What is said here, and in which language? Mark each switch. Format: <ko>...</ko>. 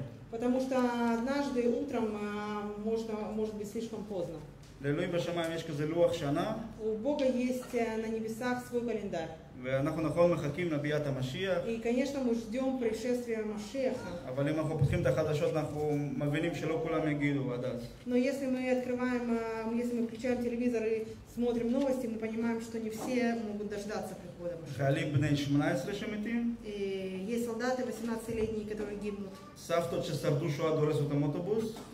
<ru>Потому что однажды утром может быть слишком поздно. У Бога есть на небесах свой календарь.</ru> <he>ואנחנו נכון מחכים לביאת המשיח.</he> <ru>И конечно мы ждем пришествия Машеха.</ru> <he>אבל אם אנחנו פותחים את החדשות אנחנו מבינים שלא כולם יגידו עד אז.</he> <ru>Но если мы открываем, если мы включаем телевизор и смотрим новости, мы понимаем, что не все могут дождаться прихода Машеха.</ru> <he>חיילים בני 18 שמתים.</he> <ru>Есть солдаты 18-летние, которые гибнут.</ru> <he>סבתות ששרדו שואה דורסות המוטובוס.</he>